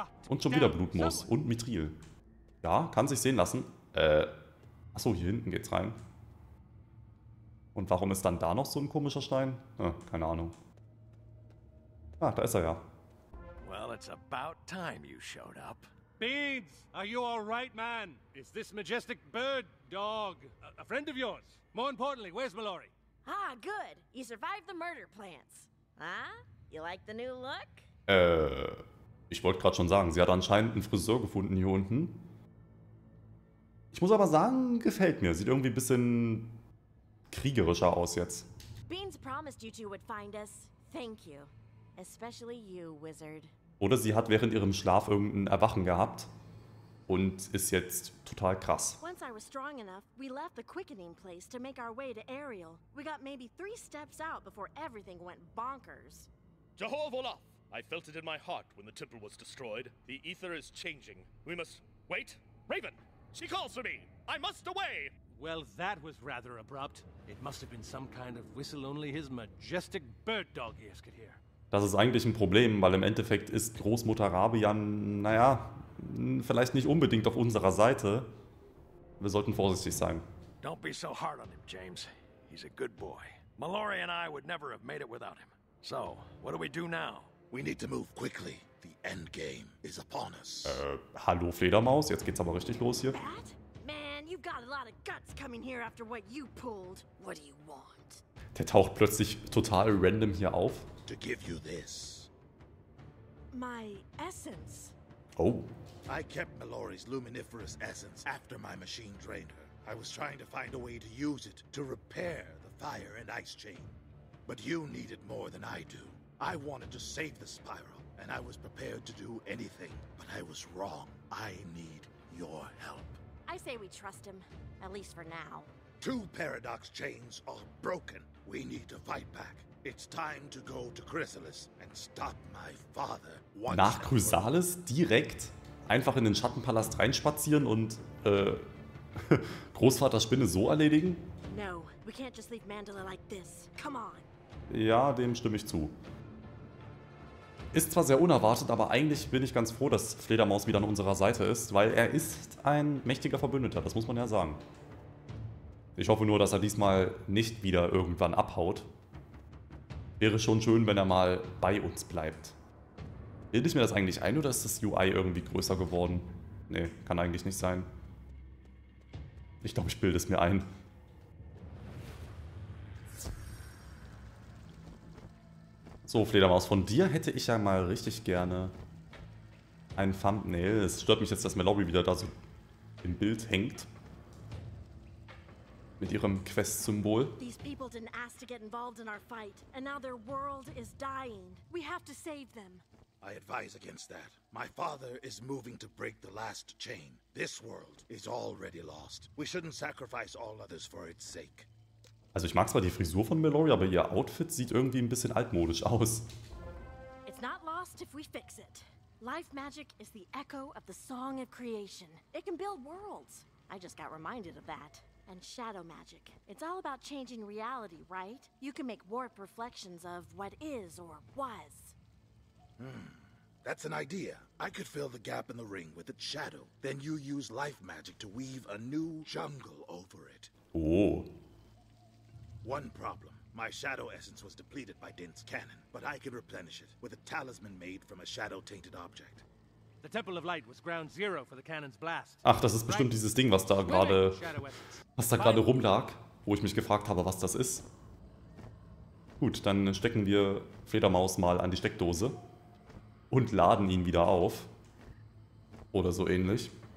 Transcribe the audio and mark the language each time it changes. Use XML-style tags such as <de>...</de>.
<de>Und schon wieder Blutmoos und Mithril. Ja, kann sich sehen lassen. Achso, hier hinten geht's rein. Und warum ist dann da noch so ein komischer Stein? Keine Ahnung. Ah, da ist er ja.</de> <en>Well, it's about time you showed up. Beans, are you all right, man? Is this majestic bird dog a friend of yours? More importantly, where's Mallory? Ah, good. You survived the murder plants. Huh? You like the new look?</en> <de>Ich wollte gerade schon sagen, sie hat anscheinend einen Friseur gefunden hier unten. Ich muss aber sagen, gefällt mir. Sieht irgendwie ein bisschen kriegerischer aus jetzt.</de> <en>Beans promised you two would find us. Thank you. Especially you, Wizard.</en> <de>Oder sie hat während ihrem Schlaf irgendein Erwachen gehabt und ist jetzt total krass.</de> <en>Once I was strong enough, we left the quickening place to make our way to Ariel. We got maybe 3 steps out before everything went bonkers. Jehovah, I felt it in my heart when the temple was destroyed. The ether is changing. We must wait. Raven, she calls for me. I must away. Well, that was rather abrupt. It must have been some kind of whistle only his majestic bird dog ears could hear.</en> <de>Das ist eigentlich ein Problem, weil im Endeffekt ist Großmutter Rabian, naja, vielleicht nicht unbedingt auf unserer Seite. Wir sollten vorsichtig sein.</de> <en>Don't be so hard on him, James. He's a good boy. Mallory and I would never have made it without him. So, what do we do now? We need to move quickly. The end game is upon us.</en> <de>Hallo Fledermaus, jetzt geht's aber richtig los hier.</de> <en>That? Man, you've got a lot of guts coming here after what you pulled. What do you want?</en> <de>Der taucht plötzlich total random hier auf.</de> <en>To give you this. My essence. Oh. I kept Mallory's luminiferous essence after my machine drained her. I was trying to find a way to use it to repair the fire and ice chain. But you need it more than I do. I wanted to save the spiral, and I was prepared to do anything. But I was wrong. I need your help. I say we trust him, at least for now. Two paradox chains are broken. We need to fight back. It's time to go to Chrysalis and stop my father.</en> <de>Nach Chrysalis direkt einfach in den Schattenpalast reinspazieren und Großvater Spinne so erledigen?</de> <en>No, we can't just leave Mandala like this. Come on.</en> <de>Ja, dem stimme ich zu. Ist zwar sehr unerwartet, aber eigentlich bin ich ganz froh, dass Fledermaus wieder an unserer Seite ist, weil er ist ein mächtiger Verbündeter, das muss man ja sagen. Ich hoffe nur, dass er diesmal nicht wieder irgendwann abhaut. Wäre schon schön, wenn er mal bei uns bleibt. Bilde ich mir das eigentlich ein oder ist das UI irgendwie größer geworden? Nee, kann eigentlich nicht sein. Ich glaube, ich bilde es mir ein. So, Fledermaus, von dir hätte ich ja mal richtig gerne ein Thumbnail. Es stört mich jetzt, dass Mallory wieder da so im Bild hängt. Mit ihrem Quest-Symbol.</de> <en>These people didn't ask to get involved in our fight, and now their world is dying. We have to save them. I advise against that. My father is moving to break the last chain. This world is already lost. We shouldn't sacrifice all others for its sake.</en> <de>Also ich mag zwar die Frisur von Mallory, aber ihr Outfit sieht irgendwie ein bisschen altmodisch aus.</de> <en>It's not lost if we fix it. Life magic is the echo of the song of creation. It can build worlds. I just got reminded of that. And shadow magic. It's all about changing reality, right? You can make warped reflections of what is or was. Hmm. That's an idea. I could fill the gap in the ring with its shadow. Then you use life magic to weave a new jungle over it. Oh. One problem. My shadow essence was depleted by Dint's cannon, but I could replenish it with a talisman made from a shadow-tainted object. The Temple of Light was ground zero for the cannon's blast.</en> <de>Ach, das ist bestimmt dieses Ding, was da gerade rumlag, wo ich mich gefragt habe, was das ist. Gut, dann stecken wir Fledermaus mal an die Steckdose und laden ihn wieder auf. Oder so ähnlich.</de>